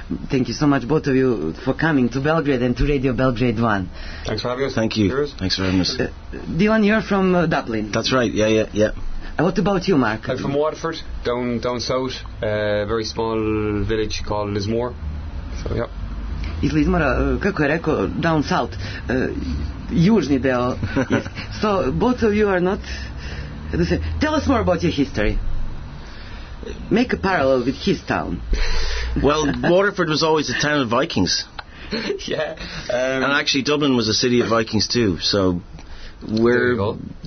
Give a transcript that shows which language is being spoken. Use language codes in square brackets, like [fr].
[en] Thank you so much, both of you, for coming to Belgrade and to Radio Belgrade 1. Thanks for having us. Thank you. Thanks for having us. Dylan, you're from Dublin. That's right, yeah. What about you, Mark? I'm from Waterford, down south, a very small village called Lismore. So, yep. [sr] Iz Lismora, kako je rekao, [en] down south, [sr] južni deo. [en] So, both of you are not... Tell us more about your history. make a parallel with his town. Well, Waterford was always a town of Vikings. Yeah. And actually, Dublin was a city of Vikings too, so... There you go.